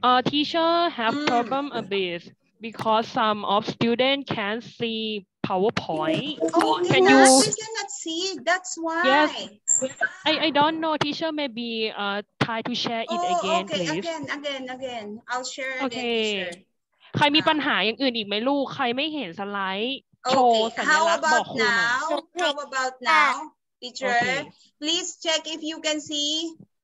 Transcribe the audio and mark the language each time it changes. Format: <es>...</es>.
<en>teacher have problem a bit because some of students can't see PowerPoint. Oh, can you cannot see. That's why. Yes. I don't know, teacher. Maybe try to share it again, okay. Please. Again. I'll share again. Okay. Teacher.</en> <th>ใครมีปัญหาอย่างอื่นอีกไหมลูกใครไม่เห็นสไลด์โชว์สัญลักษณ์บอกครูหน่อย</th> <en>How about now, teacher? Okay. Please check if you can see.</en>